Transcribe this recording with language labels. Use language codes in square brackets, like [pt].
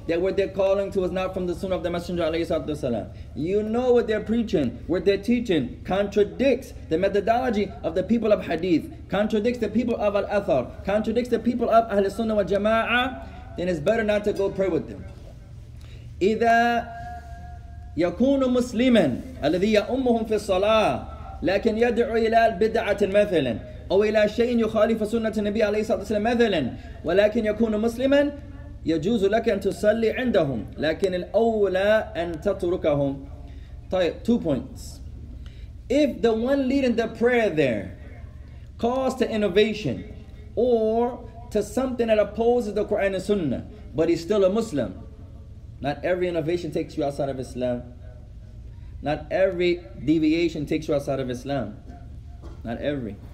[en] that what they're calling to is not from the Sunnah of the Messenger alayhi salatu wasalam. You know what they're preaching, what they're teaching contradicts the methodology of the people of Hadith, contradicts the people of Al-Athar, contradicts the people of Ahl Sunnah wa Jama'ah, then it's better not to go pray with them. [ar] إِذَا يَكُونُ مُسْلِمًا الَّذِي يَأُمُّهُمْ فِي الصَّلَاةِ لَكِنْ يَدْعُوا إِلَى الْبِدْعَةِ مَثَلًا أو إلى شيء يخالف سنة النبي عليه الصلاة والسلام مثلا ولكن يكون مسلما يجوز لك أن تصلي عندهم لكن الأولى أن تتركهم. [en] طيب, 2 points. If the one leading the prayer there calls to innovation or to something that opposes the Quran and Sunnah, but he's still a Muslim, not every innovation takes you outside of Islam. Not every deviation takes you outside of Islam. Not every.